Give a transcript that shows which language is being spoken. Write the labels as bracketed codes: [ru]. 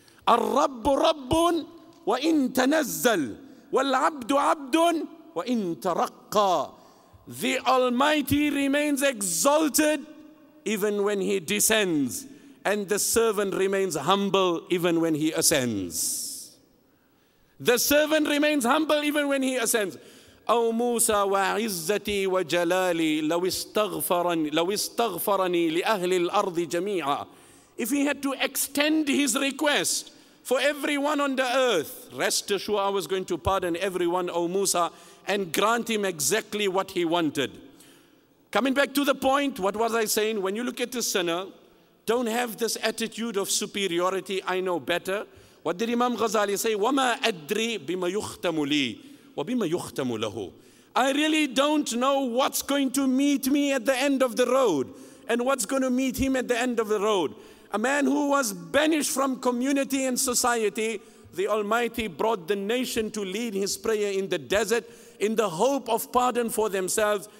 [ar] الْرَبُّ رَبٌّ وَإِنْ تَنَزَّلْ وَالْعَبْدُ عَبْدٌ وَإِنْ تَرَقَّى. [en] The Almighty remains exalted even when he descends, and the servant remains humble even when he ascends. The servant remains humble even when he ascends. [ar] أو موسى وعزتي وجلالي لو استغفرني لأهل الأرض جميعا. [en] If he had to extend his request for everyone on the earth, rest assured I was going to pardon everyone, O Musa, and grant him exactly what he wanted. Coming back to the point, what was I saying? When you look at a sinner, don't have this attitude of superiority, I know better. What did Imam Ghazali say? [ar] وما أدري بما يختم لي وَبِمَا يُخْتَمُ لَهُ. [en] I really don't know what's going to meet me at the end of the road and what's going to meet him at the end of the road. A man who was banished from community and society, the Almighty brought the nation to lead his prayer in the desert in the hope of pardon for themselves.